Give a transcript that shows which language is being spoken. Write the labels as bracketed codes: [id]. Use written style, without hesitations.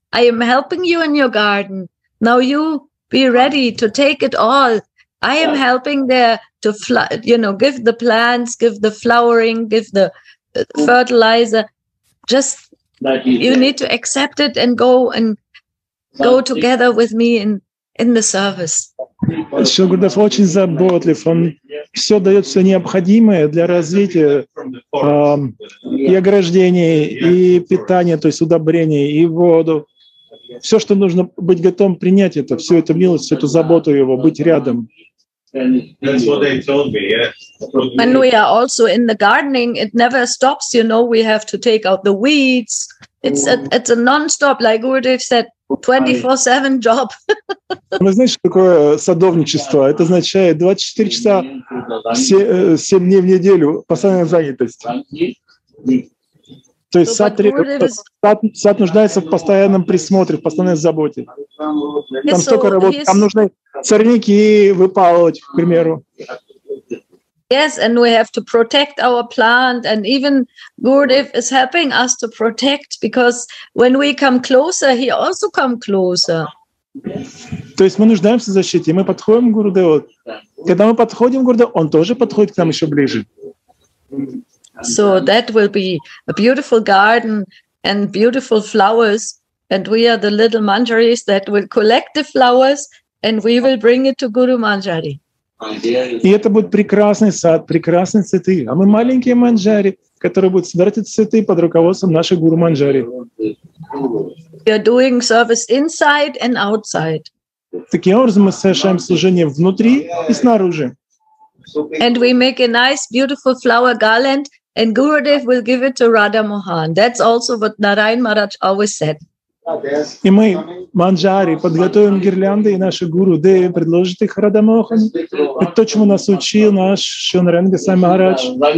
[en] I am helping you in your garden. Now you be ready to take it all. I am helping there to give the plants, give the flowering, give the fertilizer. Just you need to accept it and go together with me in the service. [ru] Шугурдев очень заботлив. Он все дает все необходимое для развития и ограждения, и питания, то есть удобрения, и воду. Все, что нужно быть готовым принять, это всю эту милость, всю эту заботу его, быть рядом. [en] That's what they told me, yeah. And we are also in the gardening. It never stops, you know. We have to take out the weeds. It's a non-stop, like Gurudev said, 24/7 job. [ru] Вы знаете, такое садовничество? Это означает 24 часа 7 дней в неделю постоянная занятость. То есть сад нуждается в постоянном присмотре, в постоянной заботе. Там столько работы, там нужно сорняки выпалывать, к примеру. [en] Yes, and we have to protect our plant, and even Gurudev is helping us to protect, because when we come closer, he also come closer. [ru] То есть мы нуждаемся в защите, мы подходим к Гурудеву. Когда мы подходим к Гурудеву, он тоже подходит к нам еще ближе. [en] So that will be a beautiful garden and beautiful flowers, and we are the little Manjaris that will collect the flowers, and we will bring it to Guru Manjari. [ru] И это будет прекрасный сад, прекрасные цветы. А мы маленькие манджари, которые будут собирать эти цветы под руководством нашей гуру манджари. [en] You're doing service inside and outside. [ru] Таким образом мы совершаем служение внутри и снаружи. [en] And we make a nice, beautiful flower garland, and Gurudev will give it to Radha Mohan. That's also what Narayan Maharaj always said. [ru] И мы, манджари, подготовим гирлянды, и наши гуру Деви предложат их Радха Мохан. И то, чему нас учил наш Шонаренга Госвами Махарадж.